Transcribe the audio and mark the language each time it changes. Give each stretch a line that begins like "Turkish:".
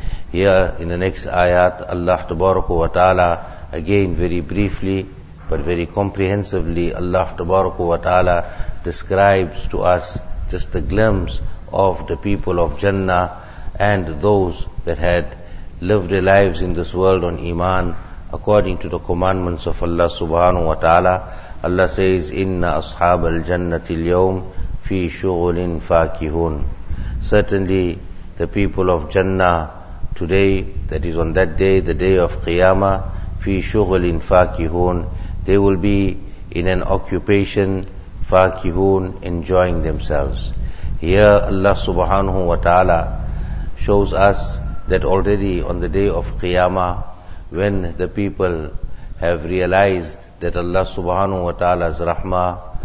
English: Here in the next ayat, Allah tabaraka wa ta'ala, again very briefly but very comprehensively, Allah tabaraka wa ta'ala describes to us just a glimpse of the people of Jannah and those that had lived their lives in this world on Iman according to the commandments of Allah subhanahu wa ta'ala. Allah says,
Arabic: إِنَّ أَصْحَابَ الْجَنَّةِ الْيَوْمِ فِي شُغُلٍ فَاكِهُونَ.
English: Certainly, the people of Jannah today, that is on that day, the day of Qiyamah,
Arabic: فِي شُغُلٍ فَاكِهُونَ,
English: they will be in an occupation, فَاكِهُونَ, enjoying themselves. Here, Allah subhanahu wa ta'ala shows us that already on the day of Qiyamah, when the people have realized that Allah subhanahu wa ta'ala's rahmah,